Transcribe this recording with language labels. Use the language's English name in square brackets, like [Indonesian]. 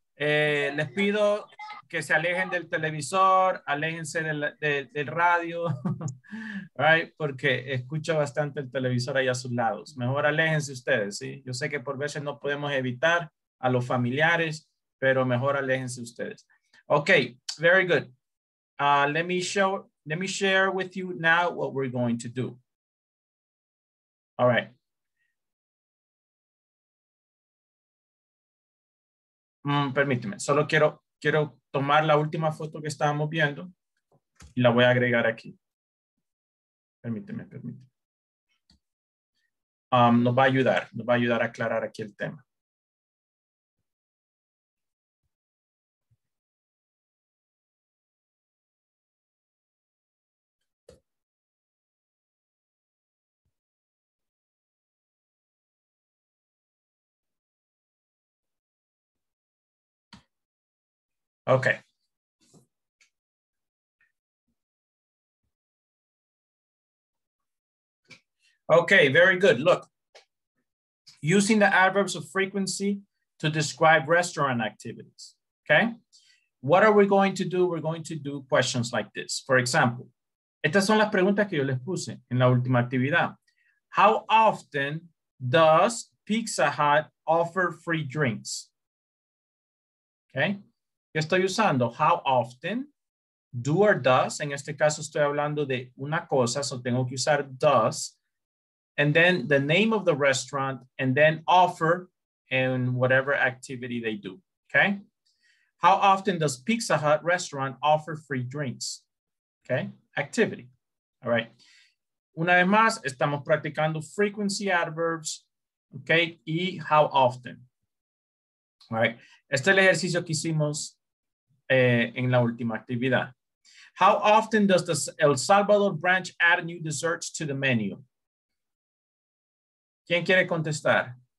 [Spanish] Les pido que se alejen del televisor, aléjense del radio, [English] right? [Spanish] Porque escucho bastante el televisor ahí a sus lados. Mejor aléjense ustedes, ¿sí? Yo sé que por veces no podemos evitar a los familiares, pero mejor aléjense ustedes. [English] Okay, very good. Let me share with you now what we're going to do. All right. [Spanish] Permíteme, solo quiero tomar la última foto que estábamos viendo y la voy a agregar aquí. Permíteme. Nos va a ayudar a aclarar aquí el tema. [English] Okay. Okay, very good. Look, using the adverbs of frequency to describe restaurant activities. Okay. What are we going to do? We're going to do questions like this. For example, [Spanish] estas son las preguntas que yo les puse en la última actividad. [English] How often does Pizza Hut offer free drinks? [Spanish] Okay. Estoy usando how often, do or does. En este caso estoy hablando de una cosa, so tengo que usar does. [English] And then the name of the restaurant and then offer and whatever activity they do, okay? How often does Pizza Hut restaurant offer free drinks? Okay, activity, all right. [Spanish] Una vez más, estamos practicando frequency adverbs, okay? [English] Y how often, all right? [Spanish] Este es el ejercicio que hicimos en la última actividad. [English] How often does the El Salvador branch add new desserts to the menu? [Spanish] ¿Quién quiere contestar?